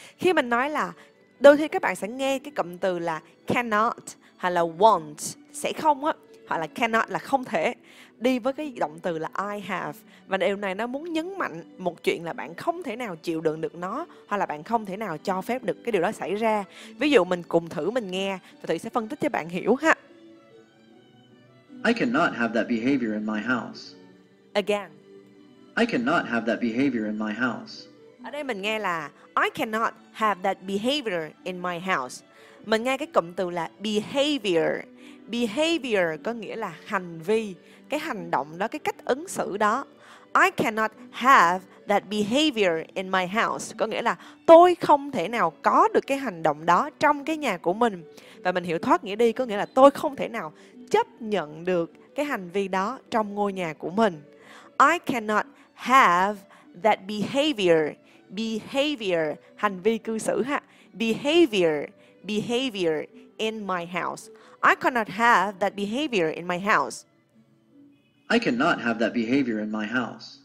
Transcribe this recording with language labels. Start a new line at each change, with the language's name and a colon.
Vietnamese: Khi mình nói là đôi khi các bạn sẽ nghe cái cụm từ là cannot hay là won't, sẽ không á, hoặc là cannot là không thể đi với cái động từ là
English: I have.
Vietnamese: Và điều này nó muốn nhấn mạnh một chuyện là bạn không thể nào chịu đựng được nó hoặc là bạn không thể nào cho phép được cái điều đó xảy ra. Ví dụ mình cùng thử mình nghe và Thủy sẽ phân tích cho bạn hiểu ha.
English: I cannot have that behavior in my house. Again. I cannot have that behavior in my house.
Vietnamese: Ở đây mình nghe là
English: I cannot have that behavior in my house.
Vietnamese: Mình nghe cái cụm từ là behavior. Behavior có nghĩa là hành vi, cái hành động đó, cái cách ứng xử đó.
English: I cannot have that behavior in my house
Vietnamese: có nghĩa là tôi không thể nào có được cái hành động đó trong cái nhà của mình. Và mình hiểu thoát nghĩa đi có nghĩa là tôi không thể nào chấp nhận được cái hành vi đó trong ngôi nhà của mình.
English: I cannot have that behavior.
Vietnamese: Behavior, hành vi cư xử ha.
English: Behavior, behavior in my house. I cannot have that behavior in my house. I cannot have that behavior in my house.